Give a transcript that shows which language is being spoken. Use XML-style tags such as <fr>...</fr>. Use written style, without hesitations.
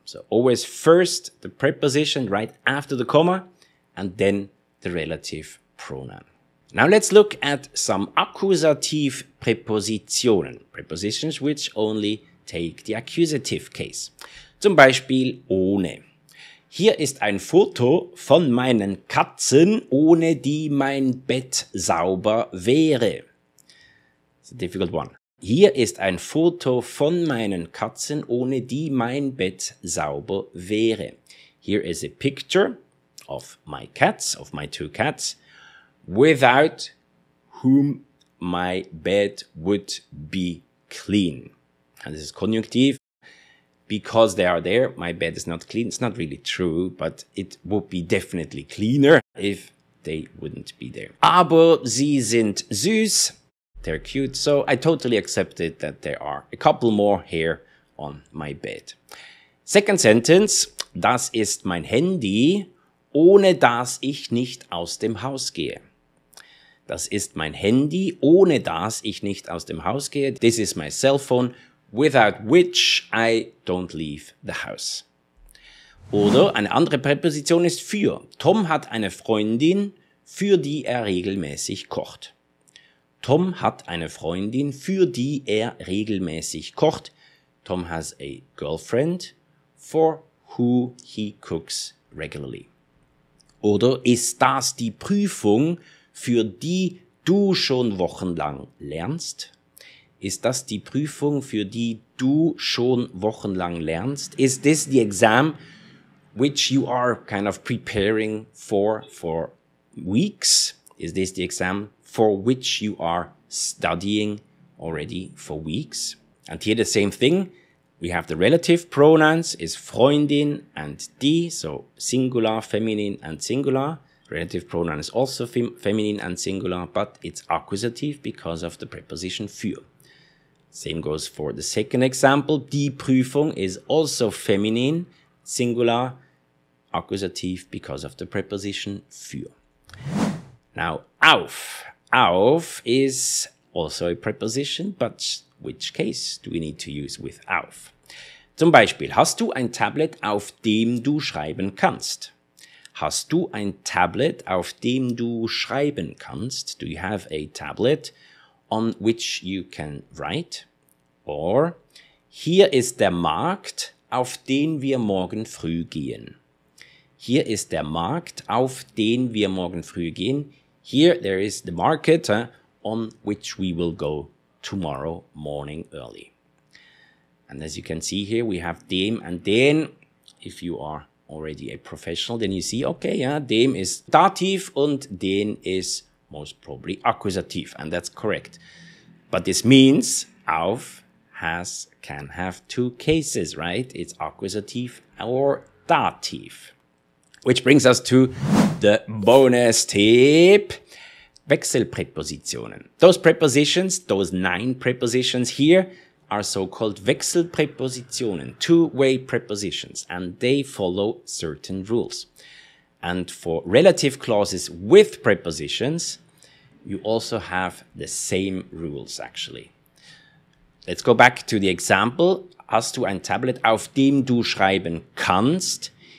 <en>So always first the preposition right after the comma and then the relative pronoun. Now let's look at some accusative prepositionen, prepositions which only take the accusative case.</en> <de>Zum Beispiel ohne. Hier ist ein Foto von meinen Katzen, ohne die mein Bett sauber wäre.</de> <en>It's a difficult one.</en> <de>Hier ist ein Foto von meinen Katzen, ohne die mein Bett sauber wäre.</de> <en>Here is a picture of my cats, of my two cats, without whom my bed would be clean. And this is konjunktiv. Because they are there, my bed is not clean. It's not really true, but it would be definitely cleaner if they wouldn't be there. Aber sie sind süß. They're cute. So I totally accepted that there are a couple more here on my bed. Second sentence.</en> <de>Das ist mein Handy, ohne das ich nicht aus dem Haus gehe. Das ist mein Handy, ohne das ich nicht aus dem Haus gehe.</de> <en>This is my cell phone, without which I don't leave the house.</en> <de>Oder eine andere Präposition ist für. Tom hat eine Freundin, für die er regelmäßig kocht. Tom hat eine Freundin, für die er regelmäßig kocht.</de> <en>Tom has a girlfriend, for who he cooks regularly.</en> <de>Oder ist das die Prüfung, für die du schon wochenlang lernst? Ist das die Prüfung, für die du schon wochenlang lernst?</de> <en>Is this the exam which you are kind of preparing for weeks? Is this the exam for which you are studying already for weeks? And here the same thing. We have the relative pronouns is Freundin and die, so singular, feminine and singular. Relative pronoun is also feminine and singular, but it's accusative because of the preposition für. Same goes for the second example. Die Prüfung is also feminine, singular, accusative because of the preposition für. Now, auf. Auf is also a preposition, but which case do we need to use with auf?</en> <de>Zum Beispiel, hast du ein Tablet, auf dem du schreiben kannst? Hast du ein Tablet, auf dem du schreiben kannst?</de> <en>Do you have a tablet on which you can write?</en> <de>Or, hier ist der Markt, auf den wir morgen früh gehen. Hier ist der Markt, auf den wir morgen früh gehen.</de> <en>Here there is the market, on which we will go tomorrow morning early. And as you can see here, we have dem and den. If you are already a professional, then you see, okay, dem is dative und den is most probably accusative. And that's correct. But this means auf has, can have two cases, right? It's accusative or dative. Which brings us to the bonus tip. Wechselpräpositionen. Those prepositions, those nine prepositions here, are so-called Wechselpräpositionen, two-way prepositions, and they follow certain rules. And for relative clauses with prepositions, you also have the same rules, actually. Let's go back to the example.</en> <de>Hast du ein Tablet, auf dem du schreiben kannst?</de>